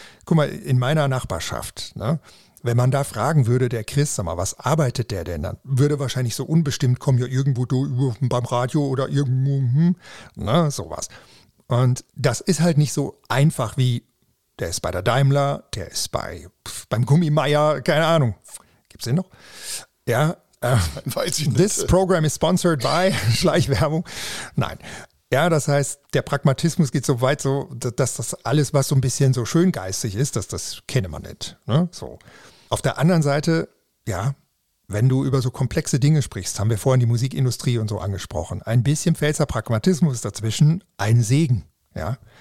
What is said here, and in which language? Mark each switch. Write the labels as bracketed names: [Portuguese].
[German] Guck mal, in meiner Nachbarschaft, ne, wenn man da fragen würde, der Chris, sag mal, was arbeitet der denn? Dann würde wahrscheinlich so unbestimmt kommen, ja, irgendwo du beim Radio oder irgendwo, ne, sowas. Und das ist halt nicht so einfach wie, der ist bei der Daimler, der ist beim Gummimeier, keine Ahnung. Gibt's den noch? Ja, weiß ich nicht. [English] This program is sponsored by Schleichwerbung. [German] Nein. Ja, das heißt, der Pragmatismus geht so weit, so, dass das alles, was so ein bisschen so schöngeistig ist, dass das kenne man nicht. Ne? So. Auf der anderen Seite, ja, wenn du über so komplexe Dinge sprichst, haben wir vorhin die Musikindustrie und so angesprochen, ein bisschen Pfälzer Pragmatismus dazwischen, ein Segen. Ja.